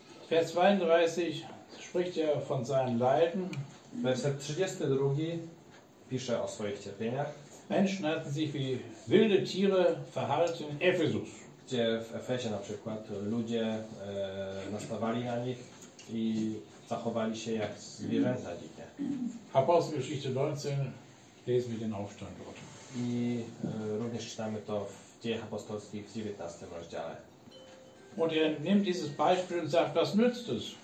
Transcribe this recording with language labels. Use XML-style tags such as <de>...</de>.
<de>Vers 32 spricht er von seinen Leiden.</de> <pl>Werset 32 pisze o swoich cierpieniach.</pl> <de>Menschen hatten sich wie wilde Tiere verhalten in Ephesus.</de> <pl>Gdzie w Efezie na przykład ludzie nastawali na nich i zachowali się jak zwierzęta dzikie.</pl> <de>Apostelgeschichte 19 lesen wir den Aufstand dort.</de> <pl>I również czytamy to w Dziejach Apostolskich w 19 rozdziale.</pl> <de>Und er nimmt dieses Beispiel und sagt, was nützt es?</de>